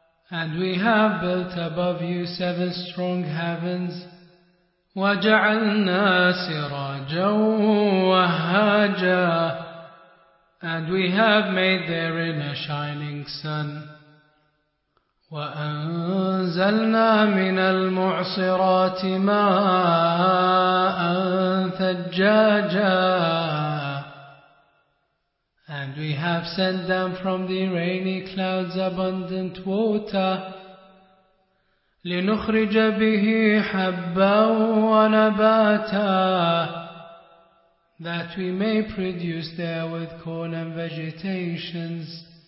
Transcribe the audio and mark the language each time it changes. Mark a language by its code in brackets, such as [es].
[en] And we have built above you seven strong heavens. [ar] وَجَعَلْنَا سِرَاجًا وَهَّاجًا. [en] And we have made therein a shining sun. [ar] وأنزلنا من المعصرات ماء ثجاجا. [en] And we have sent down from the rainy clouds abundant water. [ar] لنخرج به حبا ونباتا. [en] That we may produce therewith corn and vegetations.